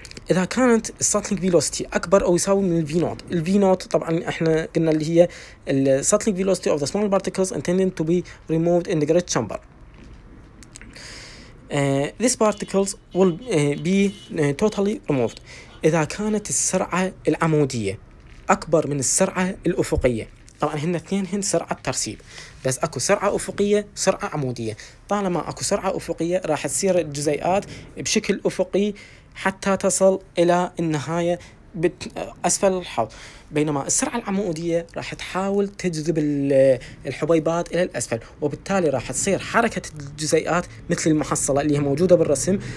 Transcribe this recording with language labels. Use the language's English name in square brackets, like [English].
[Arabic] إذا كانت الساتلينج فيلوستي أكبر أو يساوي من الفي نوت، الفي نوت طبعاً إحنا قلنا اللي هي الساتلينج فيلوستي [English] of the small particles intended to be removed in the great chamber. These particles will be totally removed. [Arabic] إذا كانت السرعة العمودية أكبر من السرعة الأفقية، طبعاً هن الاثنين هن سرعة ترسيب، بس أكو سرعة أفقية سرعة عمودية. طالما أكو سرعة أفقية راح تصير الجزيئات بشكل أفقي حتى تصل إلى النهاية أسفل الحوض، بينما السرعة العمودية راح تحاول تجذب الحبيبات إلى الأسفل، وبالتالي راح تصير حركة الجزيئات مثل المحصلة اللي هي موجودة بالرسم.